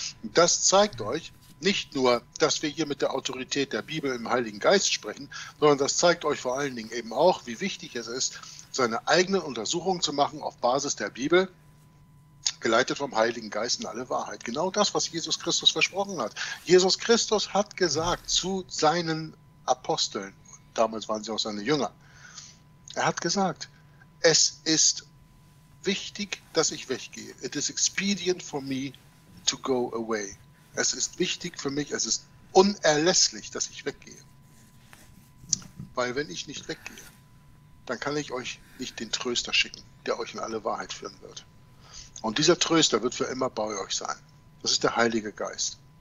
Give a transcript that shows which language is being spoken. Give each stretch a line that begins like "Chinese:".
German: Das zeigt euch nicht nur, dass wir hier mit der Autorität der Bibel im Heiligen Geist sprechen, sondern das zeigt euch vor allen Dingen eben auch, wie wichtig es ist, seine eigenen Untersuchungen zu machen auf Basis der Bibel, geleitet vom Heiligen Geist in alle Wahrheit. Genau das, was Jesus Christus versprochen hat. Jesus Christus hat gesagt zu seinen Aposteln, damals waren sie auch seine Jünger. Er hat gesagt, es ist wichtig, dass ich weggehe.
English: It is expedient for me to go away.
German: Es ist wichtig für mich, es ist unerlässlich, dass ich weggehe. Weil wenn ich nicht weggehe, dann kann ich euch nicht den Tröster schicken, der euch in alle Wahrheit führen wird. Und dieser Tröster wird für immer bei euch sein. Das ist der Heilige Geist.